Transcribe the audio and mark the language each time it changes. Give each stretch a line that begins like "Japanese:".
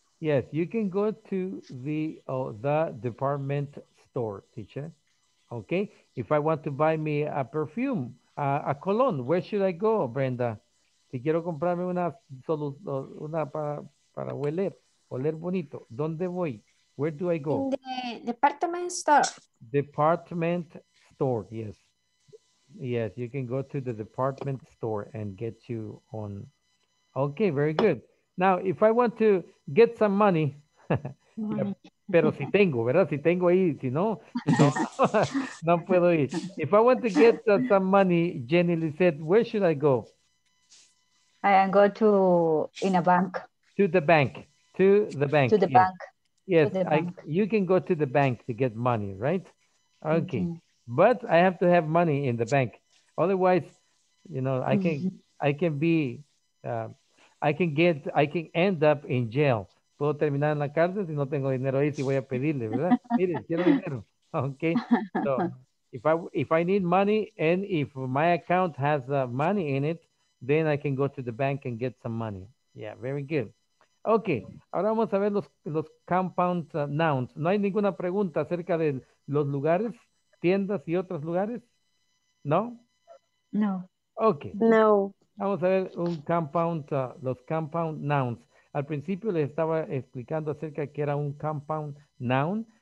English: Yes, you can go to the department store, teacher. Okay. If I want to buy me a perfume, a cologne, where should I go, Brenda?
Spanish: Si quiero comprarme una para oler bonito, ¿dónde voy?
English: Where do I go? In the department store. Department store, yes. Yes, you can go to the department store and get you on. Okay, very good. Now, if I want to get some money,
Spanish: pero si tengo, ¿verdad? Si tengo ahí, si no, no, no puedo ir.
English: If I want to get some money, Jenny Lizette, where should I go? I am go to in a bank. To the bank. To the bank. To the bank. Yes, you can go to the bank to get money, right? Okay. Mm-hmm. But I have to have money in the bank. Otherwise, you know, I can end up in jail.
Spanish: Puedo terminar en la cárcel si no tengo dinero ahí, si voy a pedirle, ¿verdad? Mire, quiero dinero. Okay.
English: So, if I need money and if my account has money in it, then I can go to the bank and get some money. Yeah, very good. Okay.
Spanish: Ahora vamos a ver los compound nouns. ¿No hay ninguna pregunta acerca de los lugares? ¿Tiendas y otros lugares? ¿No? No. Ok. No. Vamos a ver un compound, los compound nouns. Al principio les estaba explicando acerca que era un compound noun.